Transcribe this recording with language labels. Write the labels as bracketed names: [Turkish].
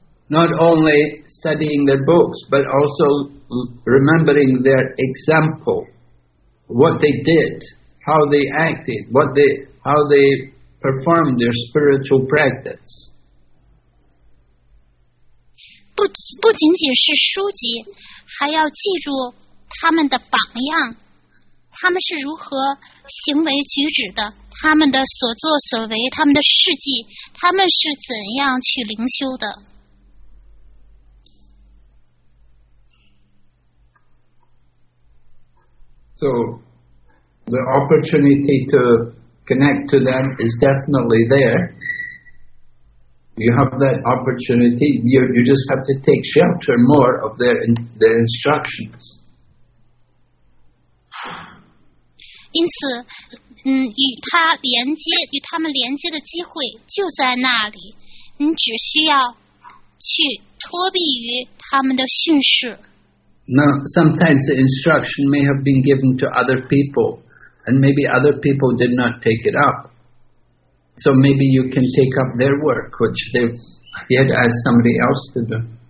[English] Not only studying their books, but also remembering their example, what they did, how they acted, how they performed their spiritual practice. [Chinese] 不仅仅是书籍，还要记住他们的榜样，他们是如何行为举止的，他们的所作所为，他们的事迹，他们是怎样去灵修的。 [English] So, the opportunity to connect to them is definitely there. You have that opportunity. You just have to take shelter more of their instructions. [Chinese] 因此，与他连接，与他们连接的机会就在那里。你只需要去托庇于他们的训示。 [English] Now, sometimes the instruction may have been given to other people, and maybe other people did not take it up. So maybe you can take up their work, which they had asked somebody else to do.